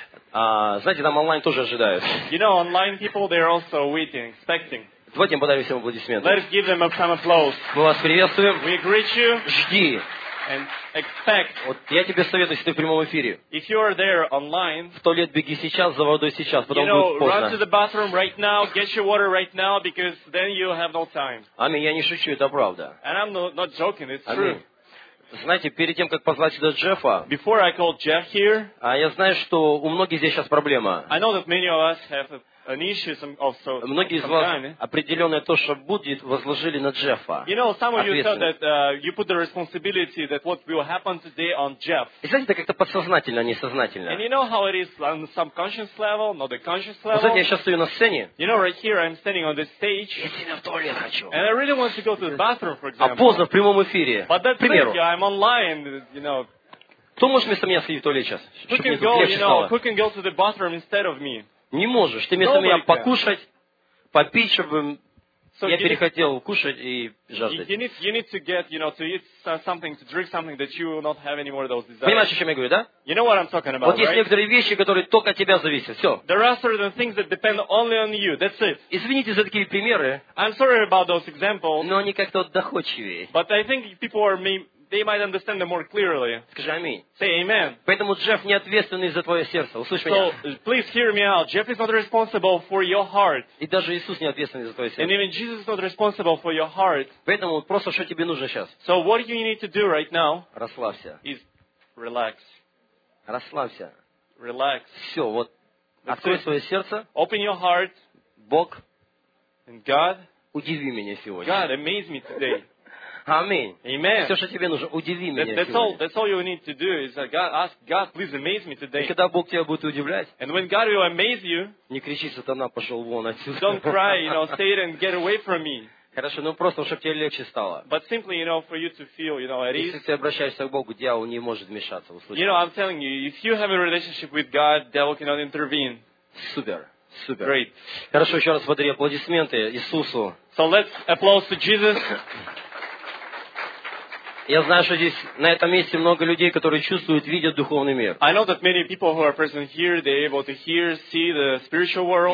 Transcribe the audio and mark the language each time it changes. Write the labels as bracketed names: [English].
[Russian] Знаете, там онлайн тоже ожидают. [English] You know, online people, they're also waiting, expecting. [Russian] Давайте им подарим всем аплодисменты. [English] Let's give them some applause. [Russian] Мы вас приветствуем. [English] We greet you. [Russian] Жди. [English] And expect. [Russian] Вот я тебе советую, если ты в прямом эфире. [English] If you are there online, [Russian] в туалет беги сейчас, за водой сейчас, потом [English] you know, [Russian] будет поздно. [English] Run to the bathroom right now, get your water right now, because then you have no time. [Russian] Аминь, я не шучу, это правда. [English] And I'm not joking, it's true. [Russian] Знаете, перед тем, как позвать сюда Джеффа, [English] before I called Jeff here, [Russian] я знаю, что у многих здесь сейчас проблема. [English] I know that many of us have an issue also. [Russian] Многие из вас определенное то, что будет, возложили на Джеффа. [English] You know, some of you said that you put the responsibility that what will happen today on Jeff. [Russian] И знаете, это как-то подсознательно, а не сознательно. [English] And you know how it is on some conscious level, not the conscious level. [Russian] Вот, знаете, я сейчас стою на сцене. [English] You know, right here I'm standing on the stage. [Russian] Я сильно в туалет хочу. [English] And I really want to go to the bathroom, for example. [Russian] А поздно в прямом эфире. [English] But that's [Russian] примеру. [English] Yeah, I'm online, you know. [Russian] Кто может вместо меня сходить в туалет сейчас? [English] Who can go, you know, who can go to the bathroom instead of me? [Russian] Не можешь. Ты вместо меня покушать, попить, чтобы я перехотел кушать и жаждать. [English] You need to get, you know, to eat something, to drink something that you will not have anymore those desires. [Russian] Понимаешь, о чем я говорю, да? [English] You know what I'm talking about, [Russian] вот есть [English] right? [Russian] некоторые вещи, которые только от тебя зависят. Все. [English] There are certain things that depend only on you. That's it. [Russian] Извините за такие примеры. [English] I'm sorry about those examples. [Russian] Но они как-то доходчивее. [English] But I think people are they might understand them more clearly. [Russian] Скажи аминь. [English] Say amen. [Russian] Поэтому Джефф не ответственный за твое сердце. Услышь меня. [English] So please hear me out. Jeff is not responsible for your heart. [Russian] И даже Иисус не ответственный за твое сердце. [English] And even Jesus is not responsible for your heart. [Russian] Поэтому просто что тебе нужно сейчас? [English] So what you need to do right now? [Russian] Расслабься. [English] Is relax. [Russian] Расслабься. [English] Relax. [Russian] Все, вот. Открой свое сердце. [English] Open your heart. [Russian] Бог. [English] And God. [Russian] Удиви меня сегодня. [English] God, amaze me today. [Russian] Аминь. [English] Amen. [Russian] Все, что тебе нужно, удиви меня сегодня. [English] That's all you need to do is God, ask God, please amaze me today. [Russian] И когда Бог тебя будет удивлять, [English] and when God will amaze you, [Russian] не кричи, сатана, пошел вон отсюда. [English] Don't cry, you know, Satan, get away from me. [Russian] Хорошо, ну просто, чтобы тебе легче стало. [English] But simply, you know, for you to feel, you know, at ease. [Russian] Если ты обращаешься к Богу, дьявол не может вмешаться, услышь. [English] You know, I'm telling you, if you have a relationship with God, devil cannot intervene. [Russian] Супер. Супер. [English] Great. [Russian] Хорошо, еще раз подари аплодисменты Иисусу. [English] So let's applause to Jesus. [Russian] Я знаю, что здесь на этом месте много людей, которые чувствуют, видят духовный мир. [English] I know that many people who are present here, they able to hear, see the spiritual world.